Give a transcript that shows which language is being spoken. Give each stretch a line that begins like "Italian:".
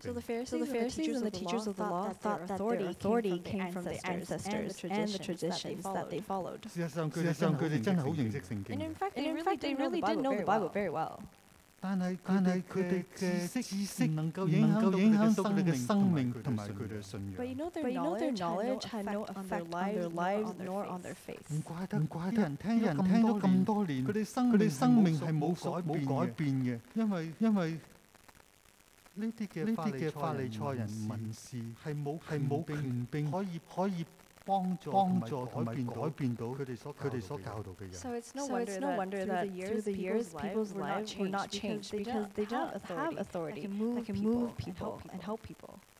English: So the Pharisees and the teachers of the law thought that authority came from the ancestors and the traditions that they followed.
Cantonese: 事實上，佢哋真係好認識聖經。
English: And in fact, they really didn't know the Bible very well.
Cantonese: 但係佢哋嘅知識能夠影響到佢哋嘅生命同埋佢哋嘅信仰。
English: But you know their knowledge had no effect on their lives nor on their faith.
Cantonese: 唔怪得人聽咁多年，佢哋生命係冇改變嘅，因為呢啲嘅法利賽人文士係冇權柄可以。幫助同埋改變到佢哋所教導嘅人。所以，
English: it's no wonder that through the years, people's lives were not changed because they don't have authority that can move people and help people.